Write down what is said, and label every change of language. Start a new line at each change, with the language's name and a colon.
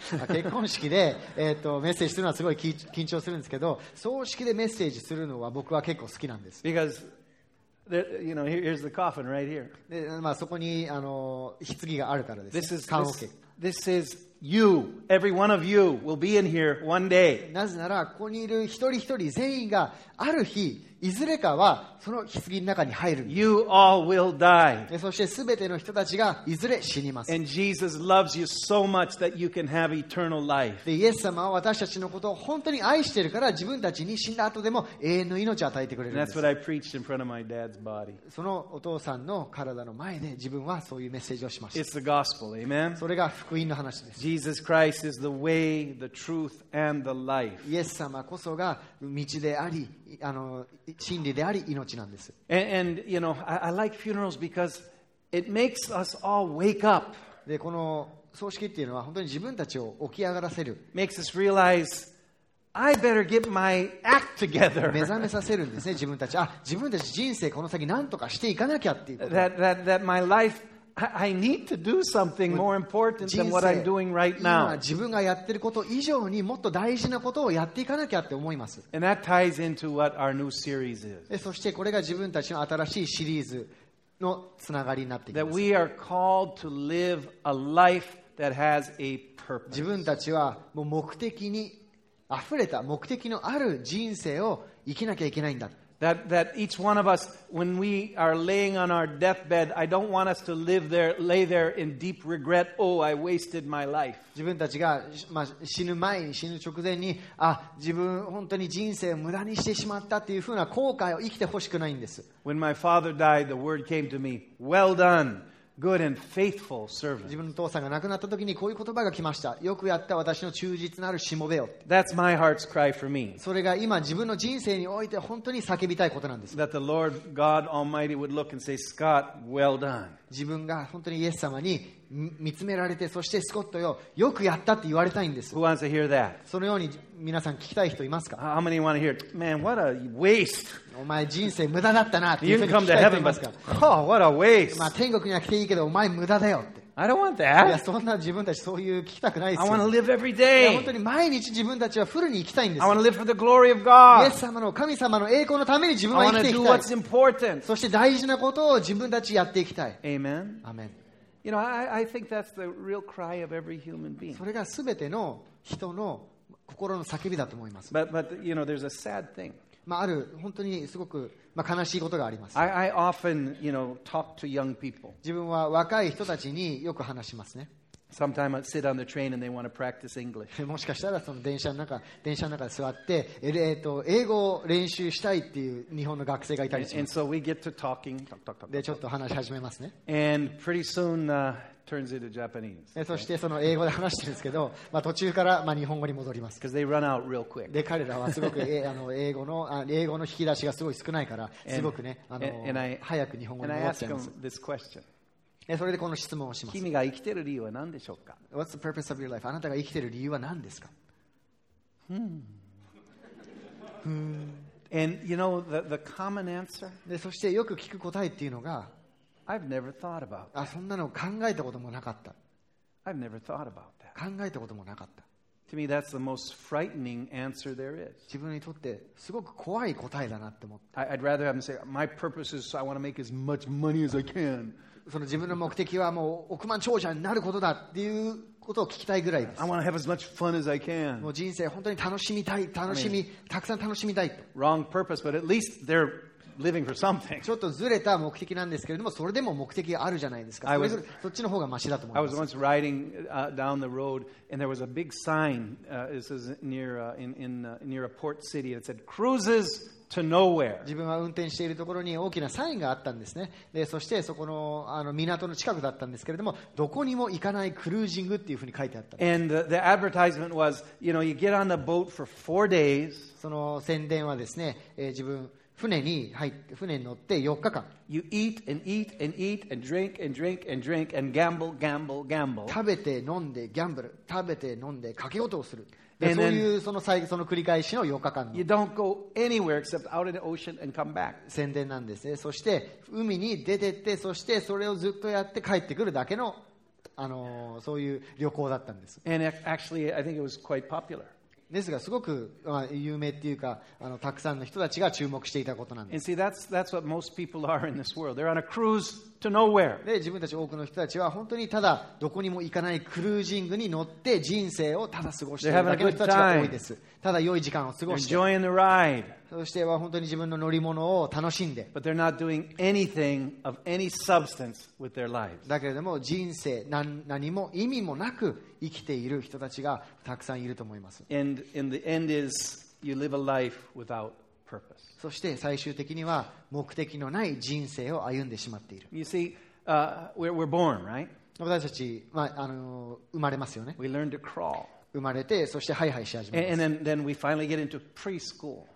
Japanese: 結婚式で、メッセージするのはすごい緊張するんですけど、葬式でメッセージするのは僕は結構好きなんです。
English: Because you know, here's the coffin right here.
Japanese: で、まあ、そこに棺があるからです。
English: This is棺桶。This is you. Every one of you will be in here one day.
Japanese: なぜならここにいる一人一人全員がある日いずれかはその棺の中に入る。
English: You all will die.
Japanese: でそしてすべての人たちがいずれ死にます。
English: And Jesus loves you so much that you can have eternal life.
Japanese: でイエス様は私たちのことを本当に愛しているから自分たちに死んだ後でも永遠の命を与えてくれるんです。
English: And that's what I preached in front of my dad's body.
Japanese: そのお父さんの体の前で自分はそういうメッセージをしました。
English: It's the gospel, amen.
Japanese: それが福音の話です。
English: Jesus Christ is the way, the truth, and the life.
Japanese: イエス様こそが道であり真理であり命なんです。
English: And you know, I like funerals because it makes us all wake up.
Japanese: で、この葬式っていうのは本当に自分たちを起き上がらせる。
English: Makes us realize I better get my act together.
Japanese: 目覚めさせるんですね、自分たち。あ、自分たち人生この先なんとかしていかなきゃっていうこと。
English: That my life. I need to do something more important than what I'm doing right now.
Japanese: 自分がやってること以上にもっと大事なことをやっていかなきゃって思います。
English: And that ties into what our new series is.
Japanese: そしてこれが自分たちの新しいシリーズのつながりになっていきます。
English: That we are called to live a life that has a purpose.
Japanese: 自分たちはもう目的に溢れた目的のある人生を生きなきゃいけないんだ。
English: That each one of us, when we are laying on our deathbed, I don't want us to lay there in deep regret. Oh, I wasted my life.
Japanese: 自分たちが、まあ、死ぬ前に死ぬ直前に、あ、自分本当に人生を無駄にしてしまったっていうふうな後悔を生きてほしくないんです。
English: When my father died, the word came to me, "Well done, good and faithful servant."
Japanese: 自分の父さんが亡くなった時にこういう言葉が来ました。よくやった私の忠実なるしもべよ。
English: That's my heart's cry for me.
Japanese: それが今自分の人生において本当に叫びたいことなんです。
English: That the Lord God Almighty would look and say, "Scott, well done."
Japanese: 自分が本当にイエス様に見つめられて、そしてスコットよ、よくやったって言われたいんです。
English: Who wants to hear that?
Japanese: そのように皆さん聞きたい人いますか？
English: How many want to hear? Man, what a waste!
Japanese: お前人生無駄だったなって。
English: You can come to heaven, but oh, what a waste!
Japanese: まあ天国には来ていいけど、お前無駄だよって。
English: I don't want that.
Japanese: いやそんな自分たちそういう聞きたくないですよ。
English: I want to live every day.
Japanese: いや本当に毎日自分たちはフルに生きたいんです。
English: I want to live for the glory of God.
Japanese: イエス様の神様の栄光のために自分は生きていきたい。
English: I want to do what's important.
Japanese: そして大事なことを自分たちやっていきたい。
English: Amen. Amen. You know, I think that's the real cry of every human being.
Japanese: それがすべての人の心の叫びだと思います。
English: But you know, there's a sad thing.
Japanese: まあある本当にすごく、まあ、悲しいことがあります。
English: I often, you know, talk to young people.
Japanese: 自分は若い人たちによく話しますね。
English: Sometimes I sit on the train and they want to practice English.
Japanese: もしかしたらその電車の中で座って英語を練習したいっていう日本の学生がいたりします。
English: And so we get to talking. Talk, talk, talk,
Japanese: でちょっと話し始めますね。
English: And pretty soon turns into Japanese.
Japanese: そしてその英語で話してるんですけど、まあ、途中からまあ日本語に戻ります。
English: Because they run out real quick.
Japanese: で彼らはすごく英語の引き出しがすごい少ないからすごくね早く日本語に戻っちゃいます。
English: And I ask them this question.
Japanese: それでこの質問をします。君が生きている理由は何でしょうか。
English: What's the purpose of your life?
Japanese: あなたが生きている理由は何ですか。
English: And you know the common answer?
Japanese: でそしてよく聞く答えっていうのが、
English: I've never thought about that.
Japanese: あそんなの考えたこともなかった。
English: I've never thought about that.
Japanese: 考えたこともなかった。
English: To me, that's the most frightening answer there is.
Japanese: 自分にとってすごく怖い答えだなって思って。
English: I'd rather have them say, "My purpose is I want to make as much money as I can."
Japanese: その自分の目的はもう億万長者になることだっていうことを聞きたいぐらいです。
English: I want to have as much fun as I can.
Japanese: もう人生本当に楽しみたい、楽しみ、たくさん楽しみたい。
English: Wrong purpose, but at least they're living for something.
Japanese: ちょっとずれた目的なんですけれども、それでも目的があるじゃないですか。そっちの方がマシだと思います。
English: I was once riding down the road, and there was a big sign. This is near a port city that said cruises. To nowhere.
Japanese: 自分は運転しているところに大きなサインがあったんですね。でそしてそこ の港の近くだったんですけれども、どこにも行かないクルージングっていうふうに書いてあったんです。
English: And the advertisement was, you know, you get on the boat for four days.
Japanese: その宣伝はですね、自分船に乗って4日間。
English: You eat and eat and eat and drink and drink and drink and gamble, gamble, gamble.
Japanese: 食べて飲んでギャンブル、食べて飲んで賭け事をする。
English: And then,
Japanese: その繰り返しの8日間。
English: You don't go anywhere except out in the ocean and come back.
Japanese: 宣伝なんですね。そして海に出てって、そしてそれをずっとやって帰ってくるだけの、そういう旅行だったんです。
English: And actually, I think it was quite popular.
Japanese: ですがすごく、有名っていうかたくさんの人たちが注目していたことなんです。
English: And see, that's what most people are in this world. They're on a cruise to nowhere.
Japanese: で、自分たち多くの人たちは本当にただどこにも行かないクルージングに乗って人生をただ過ごしているだけの人たちが多いです。ただ良い時間を過ごして、
English: Enjoying the ride.
Japanese: そしては本当に自分の乗り物を楽しんで。
English: But they're not doing anything of any substance with their lives.
Japanese: だけれども人生何も意味もなく生きている人たちがたくさんいると思います。
English: And the end is you live a life without purpose.
Japanese: そして最終的には目的のない人生を歩んでしまっている。
English: You see, we're born, right?
Japanese: 私たち、生まれますよね。
English: We learn to crawl.
Japanese: 生まれて、そしてハイハイし始めます。
English: And then we finally get into preschool.